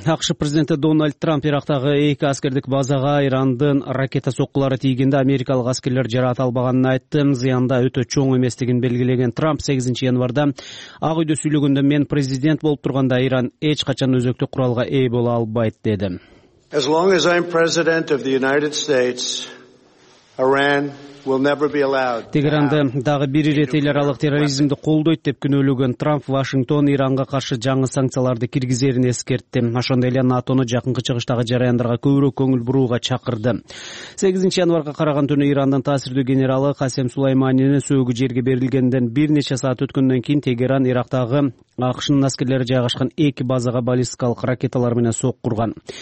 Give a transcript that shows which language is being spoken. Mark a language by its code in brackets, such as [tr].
[ky] АКШ президенти Дональд Трамп Ирактагы эки аскердик базага Ирандын ракета соккулары тийгенде америкалык аскерлер жараат албаганын айтты. Зыянда өтө чоң эместигин белгилеген Трамп 8 январда Ак Үйдө сүйлөгөндө мен президент болуп турганда Иран эч качан өзөктүк куралга ээ боло албайт деди. [en] As long as I'm president of the United States, Iran will never be allowed. [ky] Тегеранды дагы бир ирет эл аралык терроризмди колдойт деп күнөөлөгөн Трамп Вашингтон Иранга каршы жаңы санкцияларды киргизерин эскертти. Ошондой эле НАТОну жакынкы чыгыштагы жараяндарга көбүрөөк көңүл бурууга чакырды. 8 январга караган түнү Ирандын таасирдүү генералы Касем Сулайманинин сөөгү жерге берилгенден бир нече саат өткөндөн кийин Тегеран Ирактагы АКШнын аскерлери жайгашкан эки базага баллистикалык ракеталар менен соккурган.